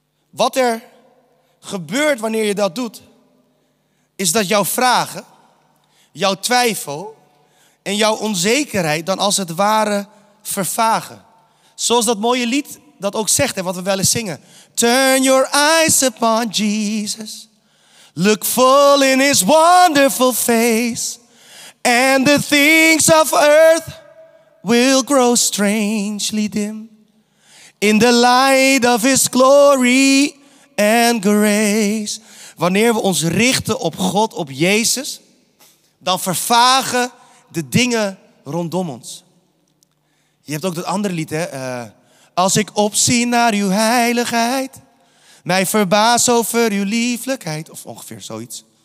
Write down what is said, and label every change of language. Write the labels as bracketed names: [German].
[Dutch] Wat er gebeurt wanneer je dat doet, is dat jouw vragen, jouw twijfel en jouw onzekerheid dan als het ware vervagen. Zoals dat mooie lied dat ook zegt en wat we wel eens zingen. [English] Turn your eyes upon Jesus. Look full in his wonderful face. And the things of earth will grow strangely dim. In the light of his glory and grace. [Dutch] Wanneer we ons richten op God, op Jezus, dan vervagen de dingen rondom ons. Je hebt ook dat andere lied, hè? Als ik opzie naar uw heiligheid, mij verbaas over uw lieflijkheid. Of ongeveer zoiets.